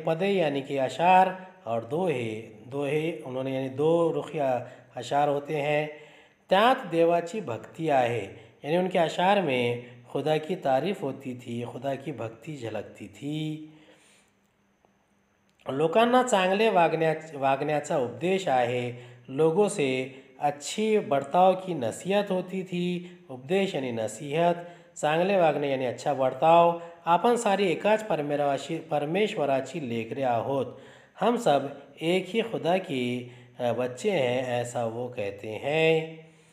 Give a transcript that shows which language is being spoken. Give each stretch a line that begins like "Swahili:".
Hindi: पदे यानी कि अशार और दोहे उन्होंने, यानी दो रुखिया अशार होते हैं।
Marathi: त्यात देवाची भक्ति आहे,
Hindi: यानी उनके अशार में खुदा की तारीफ होती थी, खुदा की भक्ति झलकती थी।
Marathi: लोकांना चांगले वागण्याचा उपदेश आहे,
Hindi: लोगों से अच्छी बर्ताव की नसीहत होती थी। उपदेश यानी नसीहत, चांगले वागणे यानी अच्छा बर्ताव।
Marathi: आपण सारी एकाच परमेश्वराची लेकरे आहोत,
Hindi: हम सब एक ही खुदा के बच्चे हैं, ऐसा वो कहते हैं।